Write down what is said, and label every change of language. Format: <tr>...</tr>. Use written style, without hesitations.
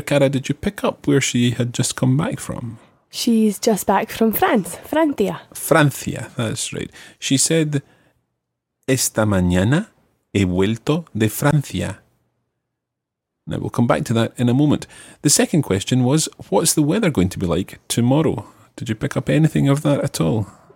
<en>Cara, did you pick up where she had just come back from? She's just back from France. Francia. Francia, that's right.</en> <es>She said, esta mañana he vuelto de Francia.</es> <en>Now we'll come back to that in a moment. The second question was, what's the weather going to be like tomorrow? Did you pick up anything of that at all?</en>